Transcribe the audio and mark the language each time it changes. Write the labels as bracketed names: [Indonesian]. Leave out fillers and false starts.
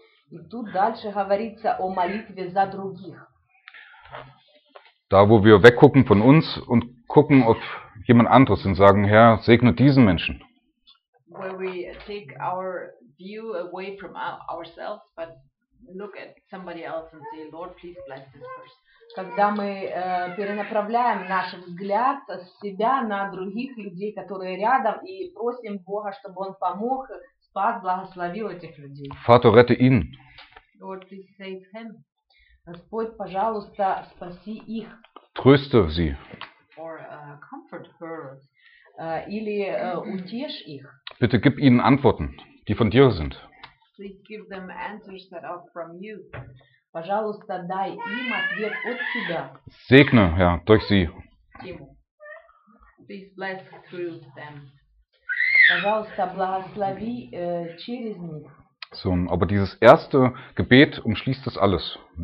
[Russian] И тут дальше говорится о молитве за других. [German] Da wo wir weggucken von uns und gucken auf jemand anderes und sagen, Herr, segne diesen Menschen. [English] Where we take our view away from ourselves but look at somebody else and say, Lord, please bless this person. [Russian] Когда мы перенаправляем наш взгляд с себя на других людей, которые рядом, и просим Бога, чтобы Он помог, спас, благословил этих людей. [German] Vater, rette ihn. [English] Lord, please save him. [Russian] Господь, пожалуйста, спаси их. [German] Tröste sie. [English] Or comfort her. [Russian] Или утешь их. [German] Bitte gib ihnen Antworten, die von dir sind. [English] Please give them answers that are from you. [Russian] Пожалуйста, дай им ответ от себя. [German] Segne, ja, durch sie. [English] Please bless through them. [Russian] Пожалуйста, благослови через них. [German] So, aber dieses erste Gebet umschließt das alles.